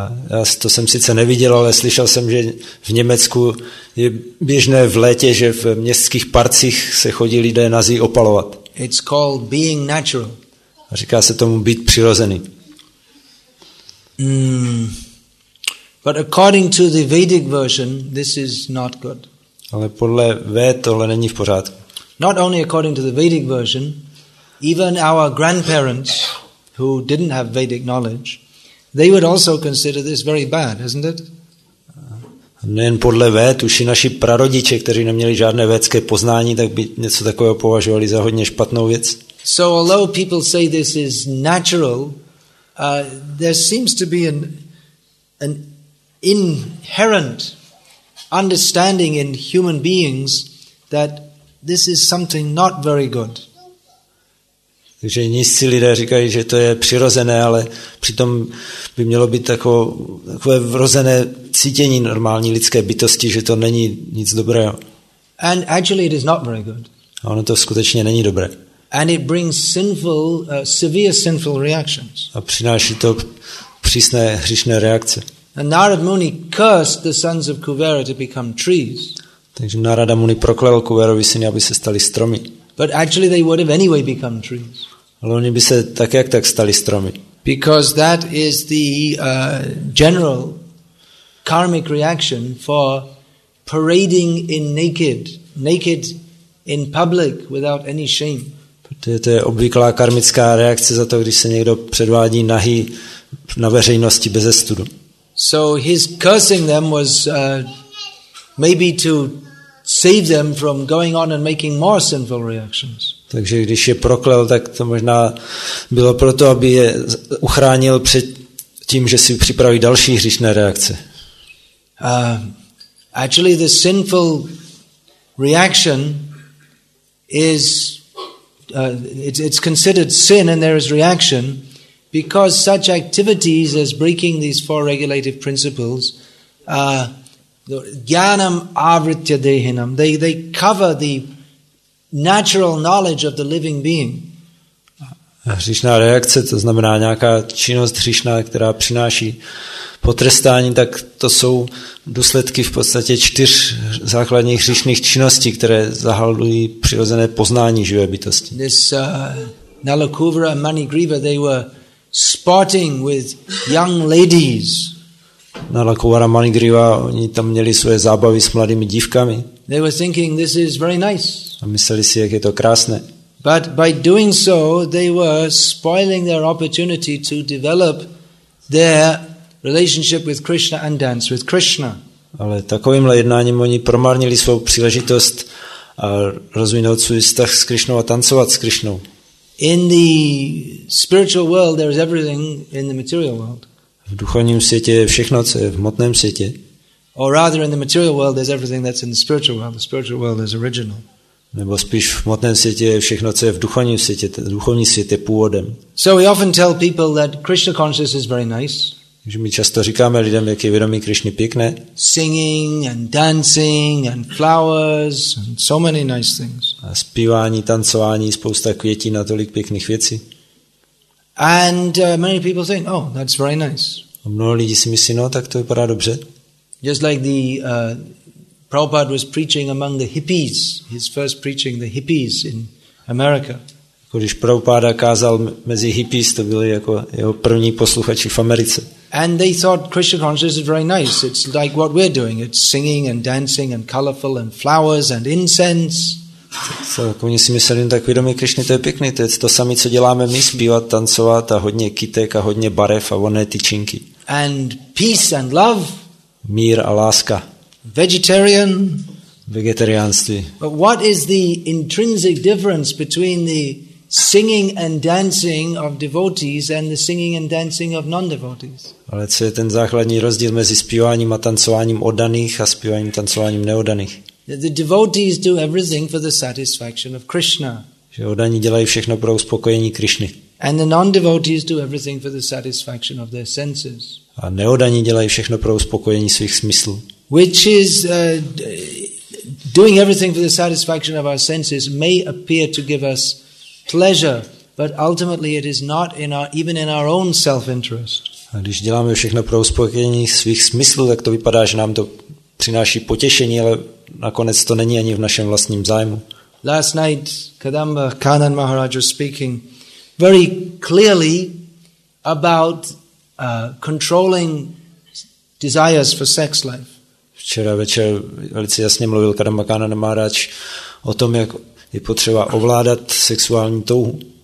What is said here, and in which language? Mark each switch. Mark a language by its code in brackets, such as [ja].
[cs] Já to jsem sice neviděl, ale slyšel jsem, že v Německu je běžné v létě, že v městských parcích se chodí lidé nazí opalovat. [en] It's called being natural. [cs] A říká se tomu být přirozený. [en] But according to the Vedic version, this is not good. [cs] Ale podle Véd tohle není v pořádku. [en] Not only according to the Vedic version, even our grandparents who didn't have Vedic knowledge, they would also consider this very bad, isn't it? [cs] Nejen podle Véd, už i naši prarodiče, kteří neměli žádné védské poznání, tak by něco takového považovali za hodně špatnou věc. [en] So although people say this is natural, there seems to be an inherent understanding in human beings that this is something not very good. [cs] Takže nízcí lidé říkají, že to je přirozené, ale přitom by mělo být takové vrozené cítění normální lidské bytosti, že to není nic dobrého. [en] And actually it is not very good. [cs] A ono to skutečně není dobré. [en] And it brings sinful, severe sinful reactions. [cs] A přináší to přísné hříšné reakce. [en] And Narad Muni cursed the sons of Kuvera to become trees. [cs] Takže Narada Muni proklel Kuverovi syny, aby se stali stromy. [en] But actually they would have anyway become trees. [cs] Ale oni by se tak jak tak stali stromy. [en] Because that is the general karmic reaction for parading in naked in public without any shame. [cs] To je obvyklá karmická reakce za to, když se někdo předvádí nahý na veřejnosti bez studu. [en] So his cursing them was maybe to save them from going on and making more sinful reactions. [cs] Takže když je proklel, tak to možná bylo proto, aby je uchránil před tím, že si připraví další hříšné reakce. [en] Actually the sinful reaction is it's considered sin and there is reaction because such activities as breaking these four regulative principles [sa] jnanam avritya dehinam, [en] they cover the natural knowledge of the living being. [cs] Hříšná reakce, to znamená nějaká činnost hříšná, která přináší potrestání, tak to jsou důsledky v podstatě čtyř základních hříšných činností, které zahalují přirozené poznání živé bytosti. [en] This Nalakuvra and Manigriva, they were sporting with young ladies. [cs] Nalakuvra a Manigriva, oni tam měli svoje zábavy s mladými dívkami. [en] They were thinking this is very nice. [cs] A mysleli si, jak je to krásné. [en] But by doing so, they were spoiling their opportunity to develop their relationship with Krishna and dance with Krishna. [cs] Ale takovýmhle jednáním oni promarnili svou příležitost a rozvinout svůj vztah s Krišnou a tancovat s Krišnou. [en] In the spiritual world there is everything in the material world. [cs] V duchovním světě je všechno, co je v hmotném světě. [en] Or rather in the material world there's everything that's in the spiritual world. The spiritual world is original. [cs] Nebo spíš v hmotném světě je všechno, co je v duchovním světě, ten duchovní svět je původem. [en] So we often tell people that Krishna consciousness is very nice. [cs] Že my často říkáme lidem, jak je vědomí Krišny pěkné. [en] Singing and dancing and flowers and so many nice things. [cs] A zpívání, tancování, spousta květin a tolik pěkných věcí. [en] And many people think, oh, that's very nice. [cs] A mnoho lidí si myslí, no, tak to vypadá dobře. [en] Just like the Prabhupada was preaching among the hippies, his first preaching the hippies in America. [cs] Když Prabhupada kázal mezi hippies, to byli jako jeho první posluchači v Americe. [en] And they thought Krishna consciousness is very nice. It's like what we're doing. It's singing and dancing and colorful and flowers and incense. [cs] So, tak oni si mysleli, tak vědomí Krišny, to je pěkný, to je to samé, co děláme my, zpívat, tancovat a hodně kytek a hodně barev a vonné tyčinky. [en] And peace and love. [cs] Mír a láska. [en] Vegetarian. [cs] Vegetariánství. [en] But what is the intrinsic difference between the singing and dancing of devotees and the singing and dancing of non-devotees? [cs] Ale co je ten základní rozdíl mezi zpíváním a tancováním oddaných a zpíváním a tancováním neoddaných? [en] The devotees do everything for the satisfaction of Krishna. [cs] Že oddaní dělají všechno pro uspokojení Krišny. [en] And the non-devotees do everything for the satisfaction of their senses. [cs] A neoddaní dělají všechno pro uspokojení svých smyslů. [en] Which is doing everything for the satisfaction of our senses may appear to give us pleasure, but ultimately it is not in our, even in our own self-interest. [cs] A když děláme všechno pro uspokojení svých smyslů, tak to vypadá, že nám to přináší potěšení, ale nakonec to není ani v našem vlastním zájmu. [en] Last night Kadamba Kanan Maharaj was speaking very clearly about controlling desires for sex life. [cs] Včera večer velice jasně mluvil Kadamba Kanan Maharaj o tom, jak je potřeba ovládat sexuální touhu.